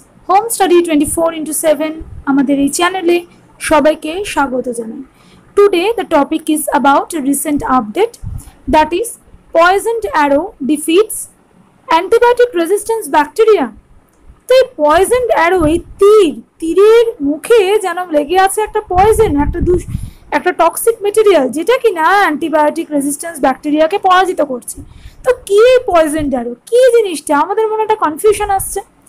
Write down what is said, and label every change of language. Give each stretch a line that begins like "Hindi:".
Bangla: Home Study 24x7 আমাদের এই চ্যানেলে সবাইকে স্বাগত জানাই।
English: Today the topic is about a recent update, that is poisoned arrow defeats antibiotic resistance bacteria.
Bangla: তাই poisoned arrow এই তীরের মুখে যেন লেগে আছে একটা poison, একটা টক্সিক মেটেরিয়াল যেটা কি না অ্যান্টিবায়োটিক রেজিস্ট্যান্স ব্যাকটেরিয়াকে পরাজিত করছে। তো কি এই পয়জন আরো কি জিনিসটা, আমাদের মনে একটা কনফিউশন আসছে।